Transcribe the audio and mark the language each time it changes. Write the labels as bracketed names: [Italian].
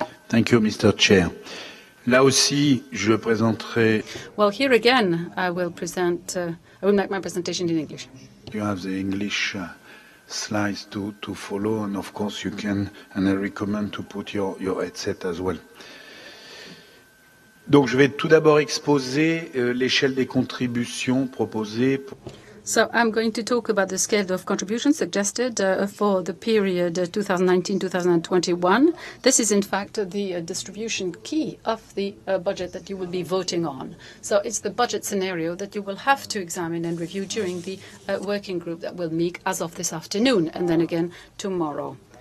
[English] Thank you, Mr. Chair. [French] Là aussi, je présenterai... [English] Well, here again, I will present, I will make my presentation in English. You have the English slides to follow, and of course you can, and I recommend to put your headset as well. [French] Donc je vais tout d'abord exposer l'échelle des contributions proposées. [English] So I'm going to talk about the scale of contributions suggested for the period 2019-2021. This is, in fact, the distribution key of the budget that you will be voting on. So it's the budget scenario that you will have to examine and review during the working group that will meet as of this afternoon and then again tomorrow.